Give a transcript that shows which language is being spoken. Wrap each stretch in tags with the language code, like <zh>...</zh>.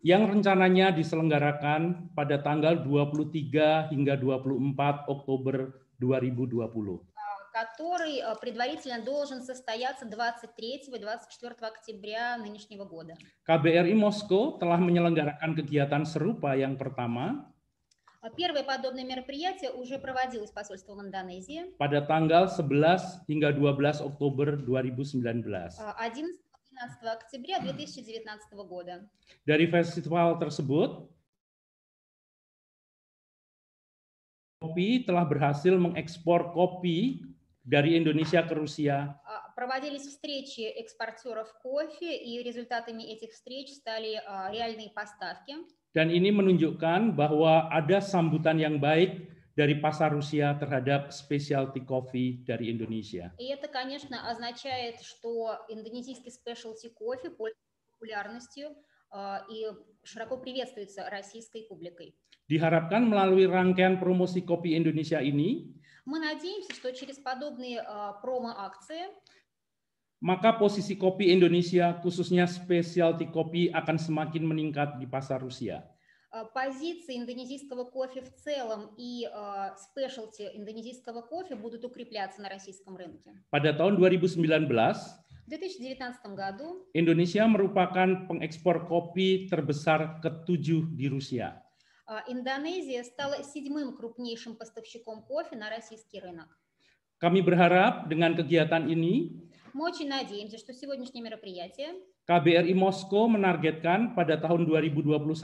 <id>Yang rencananya diselenggarakan pada tanggal 23 hingga 24 Oktober 2020.</id> <ru>Который предварительно должен состояться 23 и 24 октября нынешнего года.</ru> <id>KBRI Moskow telah menyelenggarakan kegiatan serupa yang pertama.</id> <ru>Первое подобное мероприятие уже проводилось посольством Индонезии.</ru> <id>Pada tanggal 11 hingga 12 Oktober 2019.</id> <ru>11-12 октября 2019 года.</ru> <id>Dari festival tersebut, kopi telah berhasil mengekspor kopi dari Indonesia ke Rusia.</id> <ru>Проводились встречи экспортеров кофе, и результатами этих встреч стали реальные поставки.</ru> <id>Dan ini menunjukkan bahwa ada sambutan yang baik dari pasar Rusia terhadap specialty coffee dari Indonesia.</id> <ru>И это, конечно, означает, что индонезийский specialty кофе пользуется популярностью и широко приветствуется российской публикой.</ru> <id>Diharapkan melalui rangkaian promosi kopi Indonesia ini,</id> <ru>мы надеемся, что через подобные промо-акции</ru> <id>maka posisi kopi Indonesia, khususnya specialty kopi, akan semakin meningkat di pasar Rusia.</id> <ru>Позиции индонезийского кофе в целом и specialty индонезийского кофе будут укрепляться на российском рынке.</ru> <id>Pada tahun 2019,</id> <ru>в 2019 году</ru> <id>Indonesia merupakan pengekspor kopi terbesar ketujuh di Rusia.</id> <ru>Индонезия стала седьмым крупнейшим поставщиком кофе на российский рынок.</ru> <id>Kami berharap dengan kegiatan ini,</id> <ru>мы очень надеемся, что сегодняшнее мероприятие,</ru> <id>KBRI Moskow menargetkan pada tahun 2021,</id>